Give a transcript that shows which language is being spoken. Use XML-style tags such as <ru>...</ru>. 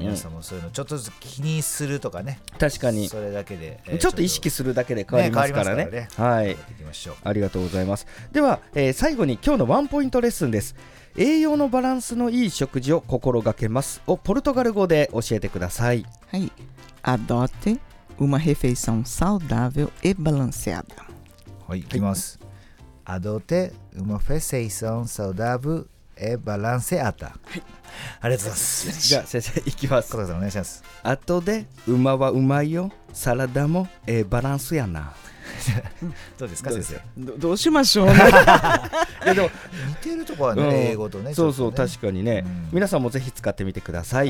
<ja>皆さんもそういうのちょっとずつ気にするとかね。確かにそれだけで、ちょっと意識するだけで変わりますから ね、はい、行きましょう。ありがとうございます。では、最後に今日のワンポイントレッスンです。栄養のバランスのいい食事を心がけますをポルトガル語で教えてください。はい。</ja> <pt>Adote uma refeição saudável e balanceada。</pt> <ja>はい、いきます。</ja> <pt>Adote uma refeição saudável e balanceada。</pt> <ja>はい、ありがとうございます。じゃあ先生いきます。小田さんお願いします。</ja> <pt>Adote uma</pt> <ja>はうまいよ、サラダもえバランスやな。どうですか先生、どうしましょう、ね、でも似てるとこはね、うん、英語とね、そうそう、ね、確かにね、うん、皆さんもぜひ使ってみてください、</ja>